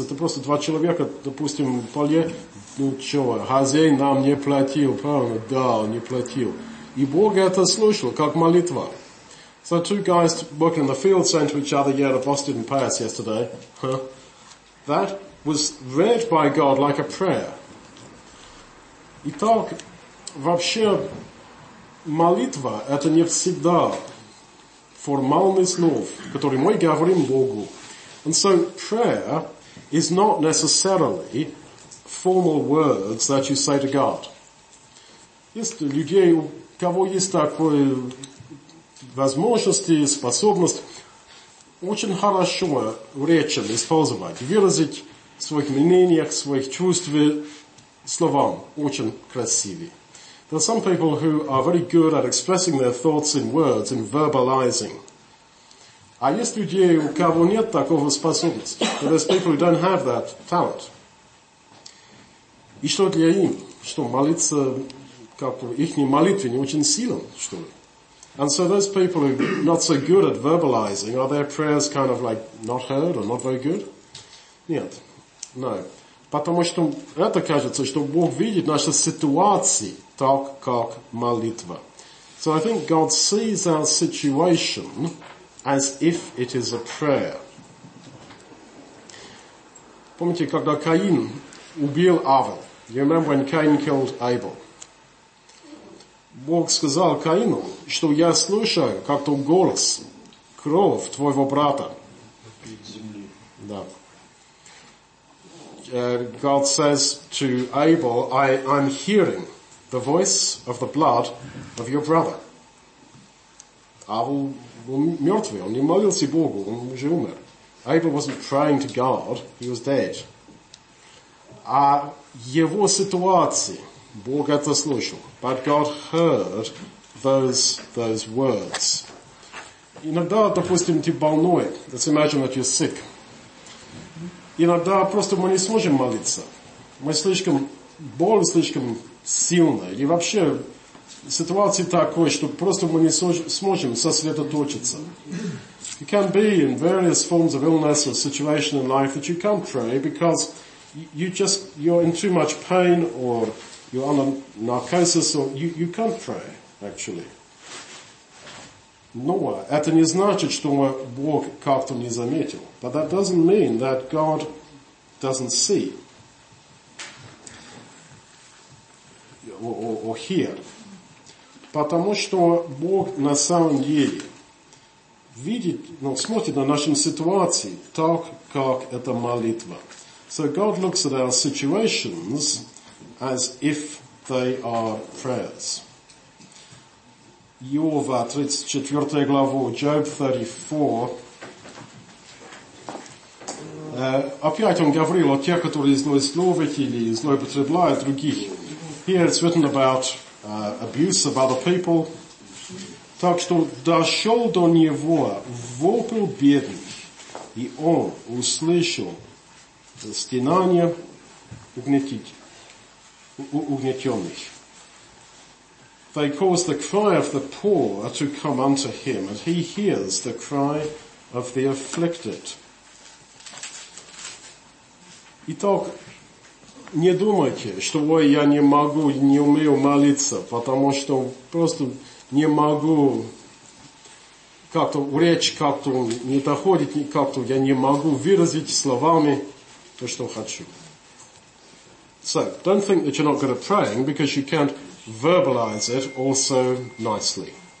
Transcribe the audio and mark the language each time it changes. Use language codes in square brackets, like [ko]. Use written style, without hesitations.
[ru] Это просто два человека, допустим, в поле. Ну что, хозяин нам не платил, правильно? Да, не платил. И Бог это слушал, как молитва. [en] So two guys working in the field saying to each other, yeah, the boss didn't pay us yesterday. That was read by God like a prayer. [ru] Итак, вообще, молитва – это не всегда формальный слов, который мы говорим Богу. [en] And so prayer is not necessarily formal words that you say to God. [ru] Есть людей, у кого есть такой возможности, способность очень хорошо речью использовать, выразить в своих мнениях, в своих чувствах, словам очень красивые. [en] There are some people who are very good at expressing their thoughts in words, in verbalizing. [ru] А есть люди, у кого нет такого способности. [en] There's people who don't have that talent. [ru] И что для им? Что молиться, как их молитвы не очень силен, что ли? [en] And so those people who are not so good at verbalizing, are their prayers kind of like not heard or not very good? [ru] Нет. [en] No. [ru] Потому что это кажется, что Бог видит нашу ситуацию так, как молитва. [en] So I think God sees our situation as if it is a prayer. [ru] Помните, когда Каин убил Авел? [en] You remember when Cain killed Abel? [ru] Бог сказал Каину, что я слушаю, как тот голос, кровь твоего брата. Да. [en] God says to Abel, I'm hearing the voice of the blood of your brother. [ru] Авел был мертвый, он не молился Богу, он уже умер. [en] Abel wasn't praying to God, he was dead. [ru] А его ситуация, Бог это слышал, [en] but God heard those words. [ru] Иногда, допустим, ты больной, [en] let's imagine that you're sick. [ru] Иногда просто мы не сможем молиться. Мы слишком, боль слишком сильная. И вообще, ситуация такая, что просто мы не сможем сосредоточиться. [en] You can be in various forms of illness or situation in life that you can't pray because you're in too much pain or you're under narcosis or you can't pray, actually. [ru] Но это не значит, что Бог как-то не заметил. [en] But that doesn't mean that God doesn't see or hear. [ru] Потому что Бог на самом деле видит, смотрит на нашу ситуацию так, как это молитва. [en] So God looks at our situations as if they are prayers. [ru] Йова, 34 главу, Job 34. Опять он говорил о тех, которые злословят или злоупотребляют других. [en] Here it's written about abuse of other people. [ru] Так что дошел до него вопль бедных, и он услышал стенание угнетенных. [en] They cause the cry of the poor to come unto him, and he hears the cry of the afflicted. [ru] Итак, не думайте, что ой, я не могу, не умею молиться, потому что просто не могу как-то речь как-то не доходит, как-то я не могу выразить словами то, что хочу. [en] So, don't think that you're not good at praying because you can't verbalize it also nicely.